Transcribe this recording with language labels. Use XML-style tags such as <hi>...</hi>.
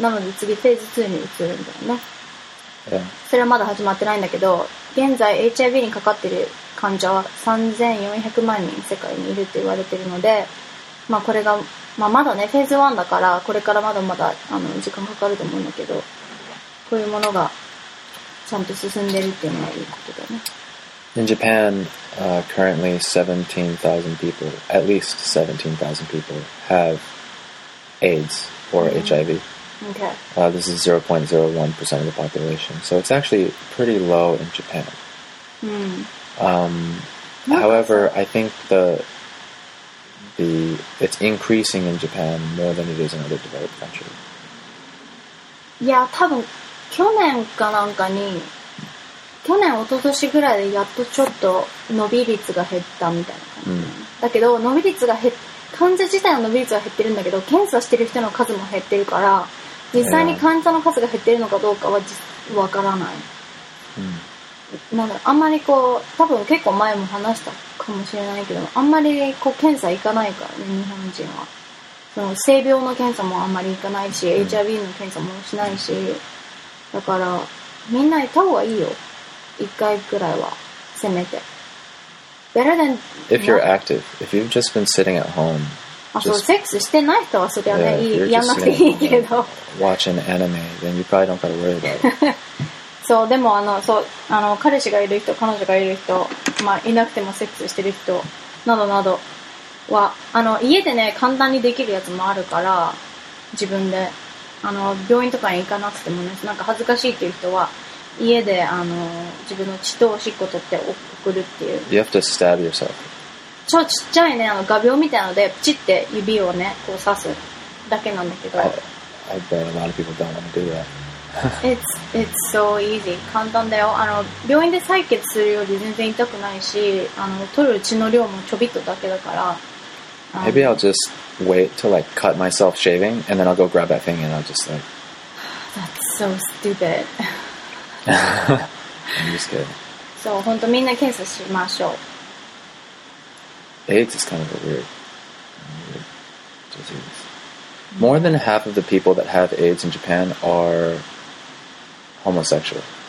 <ja>なので次フェーズ2に移るんだよね。それはまだ始まってないんだけど、現在 HIV にかかっている患者は3400万人世界にいると言われているので、まあこれが、まあまだね、フェーズ1だから、これからまだまだ時間かかると思うんだけど、こういうものがちゃんと進んでるっていうのはいいことだね。</ja> <en>In Japan, currently 17,000 people, at least 17,000 people have AIDS or HIV. Okay. This is 0.01% of the population. So it's actually pretty low in Japan. However, I think it's increasing in Japan more than it is in other developed countries.</en> <ja>Yeah, 多分去年かなんかに去年おととしぐらいでやっとちょっと伸び率が減ったみたいな感じ。だけど伸び率が減っ患者自体の伸び率は減ってるんだけど検査してる人の数も減ってるから実際に患者の数が減ってるのかどうかはわからない。なんだろう、あんまりこう多分結構前も話したかもしれないけどあんまりこう検査行かないからね日本人はその性病の検査もあんまり行かないし、HIV の検査もしないしだからみんな行った方がいいよ一回くらいはせめて</ja> <en>Better than if you're active if you've just been sitting at home</en> <ja>そうセックスしてない人はそれはね、やんなくていいけど</ja> <en>watching anime then you probably don't gotta worry about it</en> <ja>そう、でも、彼氏がいる人、彼女がいる人、まあ、いなくてもセックスしてる人、などなどは、家でね、簡単にできるやつもあるから、自分で、病院とかに行かなくてもね、なんか恥ずかしいっていう人は、家で、自分の血とおしっこ取って送るっていう。</ja> <en>You have to stab yourself.</en> <ja>超ちっちゃいね、画鋲みたいなので、プチって指をね、こう刺すだけなんだけど。</ja> <en>I bet a lot of people don't want to do that. It's so easy</en> <ja>簡単だよ病院で採血するより全然痛くないし取る血の量もちょびっとだけだから</ja> <en>Maybe I'll just wait to like cut myself shaving and then I'll go grab that thing and I'll just like That's so stupid I'm just kidding</en> <ja>そう本当みんな検査しましょう</ja> <en>AIDS is kind of a weird disease More than half of the people that have AIDS in Japan areHomosexual.</en>